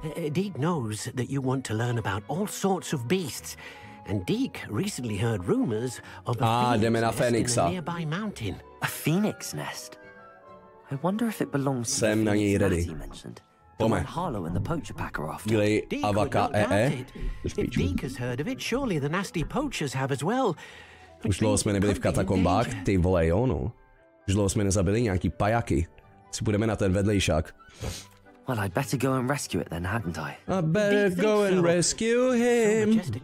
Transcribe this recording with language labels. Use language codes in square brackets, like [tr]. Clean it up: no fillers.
[en] Deek knows that you want to learn about all sorts of beasts, and Deek recently heard rumors of a phoenix nest [cs] Fénixa. [en] In a nearby mountain. A phoenix nest? I wonder if it belongs to [cs] Sem [en] the phoenix [cs] na [en] that he mentioned. The one Harlow and the poacher pack are after. Dilly, Deek avaka would not doubt it. If Deek has heard of it, surely the nasty poachers have as well. [cs] Už dlouho jsme nebyli v katakombách, ty vole, jo, no. Už dlouho jsme nezabili nějaký pajaky. Si půjdeme na ten vedlejšák. [en] Well, I'd better go and rescue it then, hadn't I? I better go and rescue him.